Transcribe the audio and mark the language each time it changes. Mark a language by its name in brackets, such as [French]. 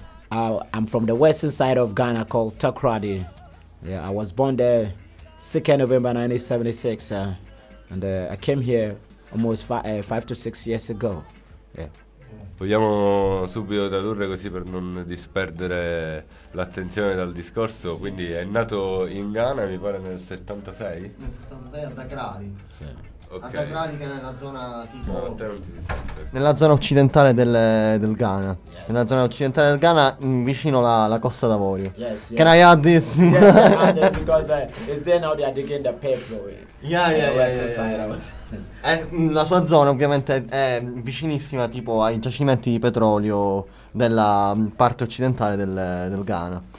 [English] I'm from the western side of Ghana called Takoradi. Yeah, I was born there 2nd November 1976, and I came here almost 5 to 6 years ago. Yeah. [Italian] Vogliamo subito tradurre così per non disperdere l'attenzione dal discorso. Sì. Quindi è nato in Ghana, mi pare nel 76? Nel 76 a Takoradi. Sì. Okay. A Takoradi, che è nella zona tipo... No, te non ti sento. Nella zona occidentale del Ghana. Yes. Nella zona occidentale del Ghana, vicino alla Costa d'Avorio. [English] Yes, yes. Can I add this? Yes, I add it because it's there now they are digging the pathway. Yeah. [Italian] La sua zona ovviamente è vicinissima tipo ai giacimenti di petrolio della parte occidentale del Ghana.